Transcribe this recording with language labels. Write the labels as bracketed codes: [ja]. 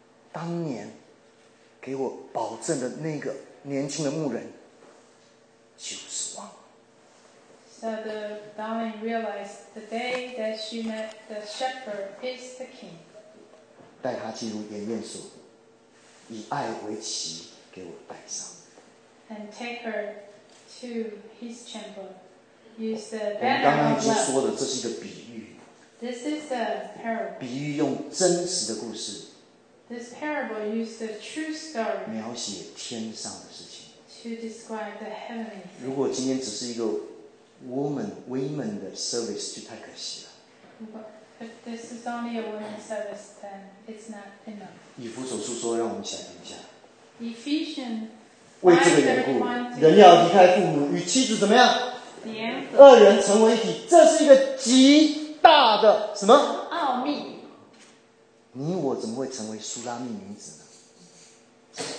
[zh] 当年给我保证的那个年轻的牧人就是王。 [en] So So the woman realized the day that she met the shepherd is the king. [zh] 带他进入筵宴所，以爱为旗，给我戴上。 [en] And take her to his chamber. Use the banner of love. [zh] 我们刚刚已经说了，这是一个比喻。 [en] This is a parable. [zh] 比喻用真实的故事。 [en] This parable used a true story. [zh] 描写天上的事情。 [en] To describe the heavenly. [zh] 如果今天只是一个 [en] woman, women [zh] 的 service 就太可惜了。 [en] But if this is only a woman's service, then it's not enough. [zh] 以弗所书说，让我们想一下。 [en] Ephesians. [zh] 为这个缘故，人要离开父母，与妻子怎么样？ [en] Yeah. [zh] 二人成为一体，这是一个极大的什么？奥秘。你我怎么会成为苏拉密女子呢？